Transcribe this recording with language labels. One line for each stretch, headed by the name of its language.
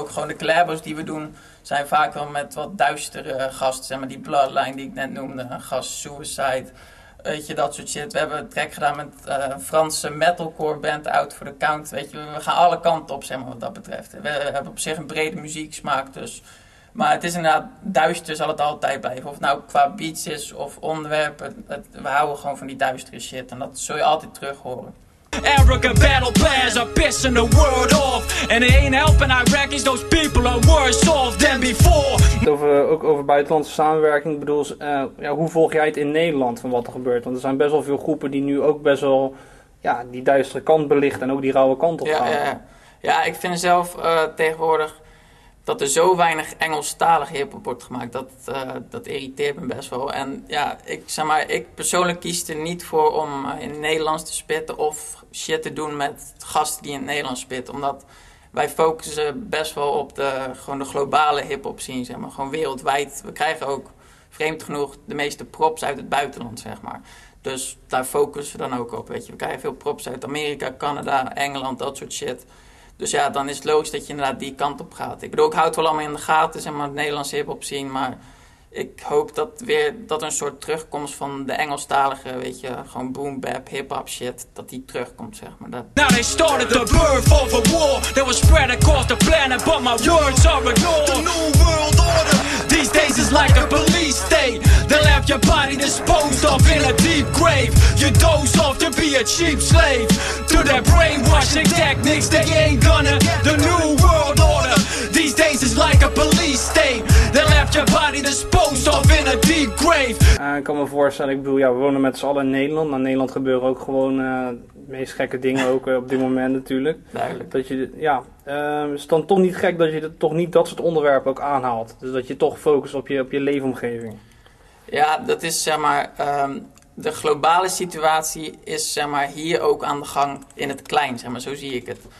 Dutch: Ook gewoon de collabos die we doen, zijn vaak wel met wat duistere gasten, zeg maar die Bloodline die ik net noemde, een gast Suicide, weet je, dat soort shit. We hebben een track gedaan met een Franse metalcore band, Out for the Count, weet je, we gaan alle kanten op, zeg maar, wat dat betreft. We hebben op zich een brede muzieksmaak, dus. Maar het is inderdaad, duister zal het altijd blijven. Of nou qua beats is of onderwerpen, we houden gewoon van die duistere shit en dat zul je altijd terug horen.
English: Arrogant battle players are pissing the world off. And it ain't helping Iraqis, those people are worse off than before.
Dutch: Ook over buitenlandse samenwerking, ik bedoel, hoe volg jij het in Nederland van wat er gebeurt? Want er zijn best wel veel groepen die nu ook best wel die duistere kant belichten en ook die rauwe kant op gaan. Ja, ik vind zelf tegenwoordig dat er zo weinig Engelstalig hiphop wordt gemaakt. Dat irriteert me best wel. En ja, ik zeg maar, ik persoonlijk kies er niet voor om in het Nederlands te spitten of shit te doen met gasten die in het Nederlands spitten. Omdat wij focussen best wel op gewoon de globale hiphop scene, zeg maar. Gewoon wereldwijd. We krijgen ook, vreemd genoeg, de meeste props uit het buitenland, zeg maar. Dus daar focussen we dan ook op, weet je. We krijgen veel props uit Amerika, Canada, Engeland, dat soort shit. Dus ja, dan is het logisch dat je inderdaad die kant op gaat. Ik bedoel, ik houd het wel allemaal in de gaten, zeg maar, het Nederlandse hiphop scene. Maar ik hoop dat weer dat een soort terugkomst van de Engelstalige, weet je, gewoon boom bap, hip-hop shit, dat die terugkomt, zeg maar. Dat.
English: Now they started the birth of a war that was spread across the planet, but my words are ignored. The new world order, these days is like a police state. They'll have your body disposed of in a deep grave. You doze off to be a cheap slave to their brainwashing techniques. They ain't gonna. The new world order, these days is like a police state. They'll have your body disposed of in a deep grave.
Dutch: Ik kan me voorstellen, ik bedoel, ja, we wonen met z'n allen in Nederland. Maar in Nederland gebeuren ook gewoon de meest gekke dingen ook op dit moment natuurlijk. Duidelijk. Dat je, ja, is het dan toch niet gek dat je toch niet dat soort onderwerpen ook aanhaalt? Dus dat je toch focust op je leefomgeving. Ja, dat is zeg maar, de globale situatie is zeg maar hier ook aan de gang in het klein, zeg maar, zo zie ik het.